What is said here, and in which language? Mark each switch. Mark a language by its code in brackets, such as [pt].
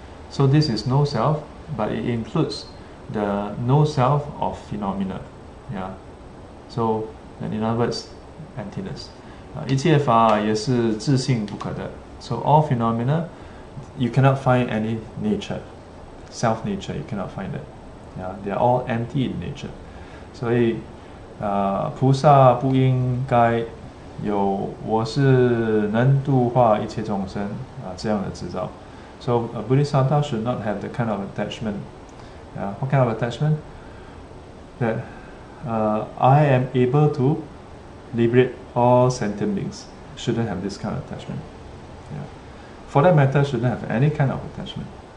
[en] So this is no self, but it includes the no self of phenomena. Yeah. So in other words, emptiness. [zh] 一切法也是自性不可得. [en] So all phenomena, you cannot find any nature, self nature, you cannot find it. Yeah, they are all empty in nature. [zh] So 菩萨不应该有我是能度化一切众生, 这样的执照. [en] So a Bodhisattva should not have the kind of attachment. Yeah. What kind of attachment? That I am able to liberate all sentient beings. Shouldn't have this kind of attachment. Yeah. For that matter, shouldn't have any kind of attachment.